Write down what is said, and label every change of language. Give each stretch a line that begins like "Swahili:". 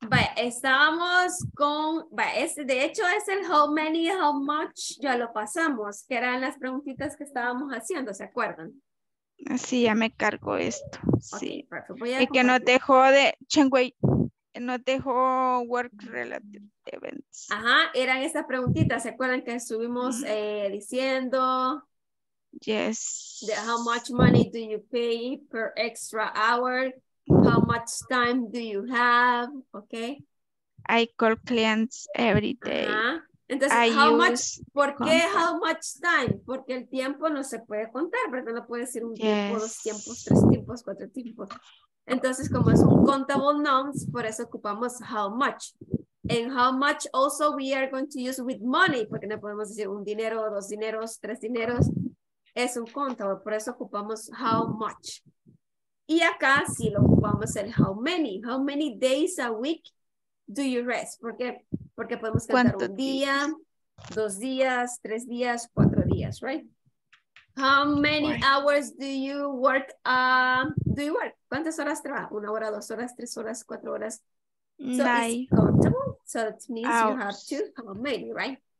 Spanish: Vaya, estábamos con, vaya, de hecho es el how many, how much, ya lo pasamos, que eran las preguntitas que estábamos haciendo, ¿se acuerdan? Sí, ya me cargo esto. Sí.
English: Okay,
Spanish: y que nos dejó de, Chengwei, nos dejó work related events. Ajá, eran esas preguntitas, ¿se acuerdan que estuvimos diciendo?
English: Yes. How much money do you pay per extra hour? How much time do you have? Okay. I call clients every day. Uh-huh.
Spanish: Entonces, ¿por qué how much time? Porque el tiempo no se puede contar, ¿verdad? No puede decir un tiempo, dos tiempos, tres tiempos, cuatro tiempos. Entonces, como es un countable nouns, por eso ocupamos how much.
English: And how much also we are going to use with money,
Spanish: porque no podemos decir un dinero, dos dineros, tres dineros. Es un countable, por eso ocupamos how much. Y acá sí lo ocupamos el how many.
English: How many days a week do you rest?
Spanish: ¿Por qué? Porque podemos contar un día, dos días, tres días, cuatro días, right?
English: How many hours do you work?
Spanish: ¿Cuántas horas trabaja? ¿Una hora, dos horas, tres horas, cuatro horas?
English: So nine. Is countable? So that means hours. You have two. How many, right?